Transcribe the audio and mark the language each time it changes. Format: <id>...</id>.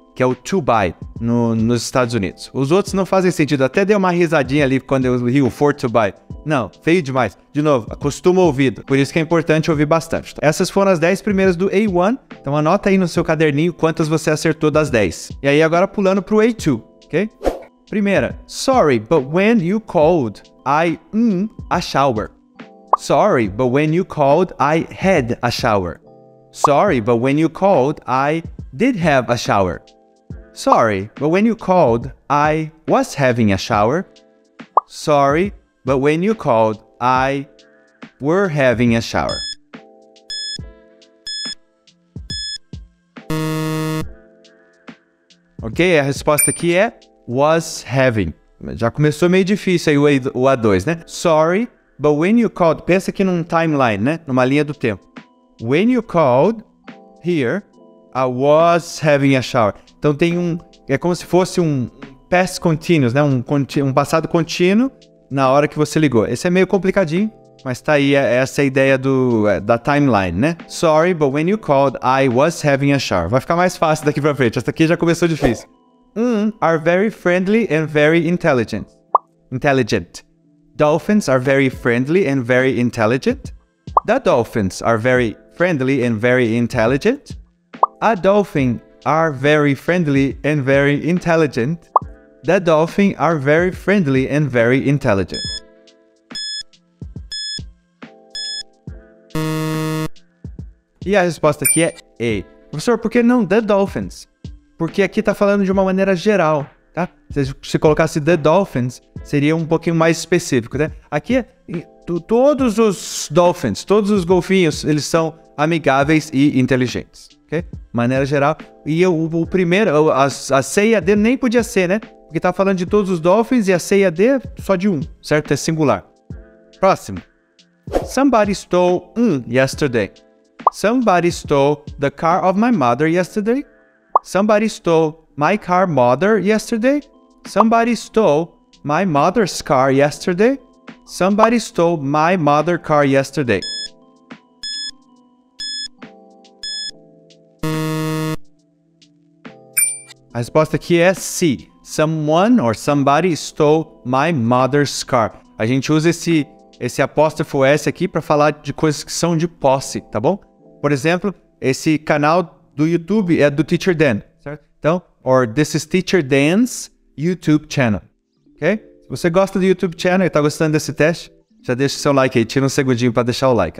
<pt>Que é o to buy nos Estados Unidos. Os outros não fazem sentido. Até dei uma risadinha ali quando eu ri o for to buy. Não, feio demais. De novo, acostuma o ouvido. Por isso que é importante ouvir bastante. Tá? Essas foram as 10 primeiras do A1. Então anota aí no seu caderninho quantas você acertou das 10. E aí agora pulando pro A2, ok? Primeira.</pt> <en>Sorry, but when you called, I a shower. Sorry, but when you called, I had a shower. Sorry, but when you called, I did have a shower. Sorry, but when you called, I was having a shower. Sorry, but when you called, I were having a shower.</en> <pt>Ok, a resposta aqui é was having. Já começou meio difícil aí o A2, né?</pt> <en>Sorry, but when you called,</en> <pt>pensa aqui num timeline, né? Numa linha do tempo.</pt> <en>When you called, here, I was having a shower.</en> <pt>Então tem é como se fosse um past continuous, né? Um passado contínuo na hora que você ligou. Esse é meio complicadinho, mas tá aí essa ideia da timeline, né?</pt> <en>Sorry, but when you called, I was having a shower.</en> <pt>Vai ficar mais fácil daqui pra frente. Essa aqui já começou difícil.</pt> <en>Are very friendly and very intelligent. Intelligent. Dolphins are very friendly and very intelligent. The dolphins are very friendly and very intelligent. A dolphin are very friendly and very intelligent. The dolphin are very friendly and very intelligent.</en> <pt>E a resposta aqui é A. Professor, por que não the dolphins? Porque aqui tá falando de uma maneira geral, tá? Se colocasse the dolphins, seria um pouquinho mais específico, né? Aqui, todos os dolphins, todos os golfinhos, eles são amigáveis e inteligentes, ok? Maneira geral. E o primeiro, a C e a D nem podia ser, né? Porque tá falando de todos os dolphins e a C e a D só de um, certo? É singular. Próximo.</pt> <en>Somebody stole yesterday. Somebody stole the car of my mother yesterday. Somebody stole my car mother yesterday. Somebody stole my mother's car yesterday. Somebody stole my mother car yesterday.</en> <pt>A resposta aqui é C.</pt> <en>Someone or somebody stole my mother's car.</en> <pt>A gente usa esse apóstrofo S aqui para falar de coisas que são de posse, tá bom? Por exemplo, esse canal do YouTube é do Teacher Dan, certo?</pt> <en>Então, or this is Teacher Dan's YouTube channel, ok?</en> <pt>Se você gosta do YouTube channel e tá gostando desse teste, já deixa o seu like aí, tira um segundinho para deixar o like.</pt>